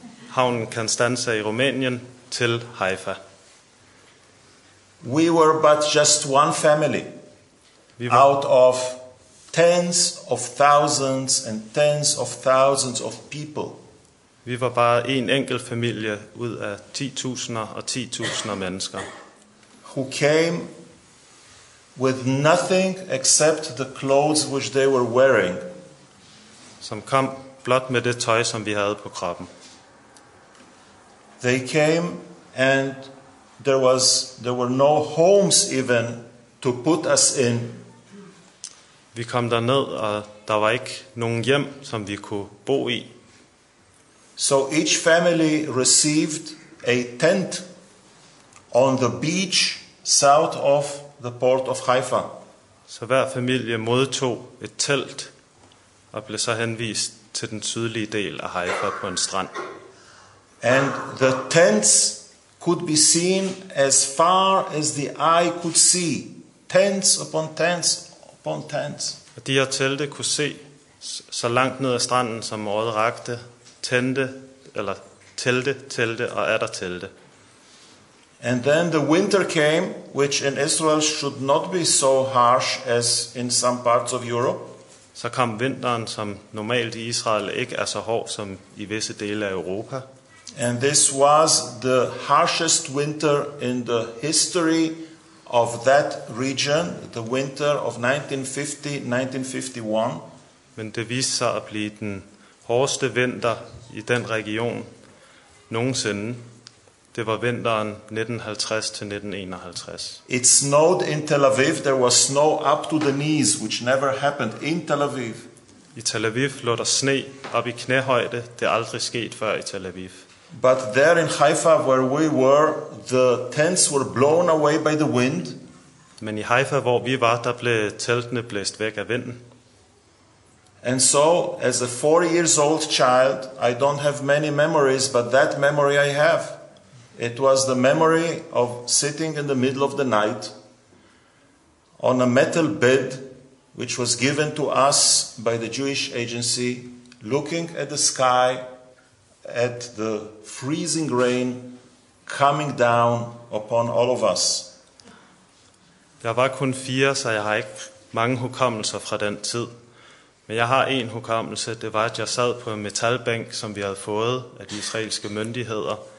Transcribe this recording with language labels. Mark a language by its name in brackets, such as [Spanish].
[Danish] havnen Constanza i Rumænien til Haifa. [English] We were but just one family out of tens of thousands and tens of thousands of people. [Danish] Vi var bare en enkelt familie ud af 10.000 og 10.000 mennesker. [English] Who came with nothing except the clothes which they were wearing. [Danish] Som kom blot med det tøj som vi havde på kroppen. [English] They came and there were no homes even to put us in. [Danish] Vi kom der ned og der var ikke nogen hjem som vi kunne bo i. [English] So each family received a tent on the beach south of the port of Haifa. [Danish] Så hver familie modtog et telt og blev så henvist til den sydlige del af Haifa på en strand. [English] And the tents could be seen as far as the eye could see. Tents upon tents upon tents. [Danish] Og de her telte kunne se så langt ned ad stranden som øjet rakte. Tente, eller telte, telte og atter telte. [English] And then the winter came, which in Israel should not be so harsh as in some parts of Europe. [Danish] Så kom vinteren, som normalt i Israel ikke er så hård som i visse dele af Europa. [English] And this was the harshest winter in the history of that region, the winter of 1950-1951. [Danish] Men det viste sig at blive den hårdeste vinter i den region nogensinde. Det var vinteren 1950-1951. [English] It snowed in Tel Aviv. There was snow up to the knees, which never happened in Tel Aviv. [Danish] I Tel Aviv lå der sne op i knæhøjde. Det aldrig sket før i Tel Aviv. [English] But there in Haifa, where we were, the tents were blown away by the wind. [Danish] Men i Haifa, hvor vi var, der blev teltene blæst væk af vinden. [English] And so, as a 4 years old child, I don't have many memories, but that memory I have. It was the memory of sitting in the middle of the night on a metal bed, which was given to us by the Jewish Agency, looking at the sky, at the freezing rain coming down upon all of us. [Danish] Jeg var kun 4, så jeg har ikke mange hukommelser fra den tid. Men jeg har en hukommelse. Det var, at jeg sad på en metalbænk, som vi havde fået af de israelske myndigheder.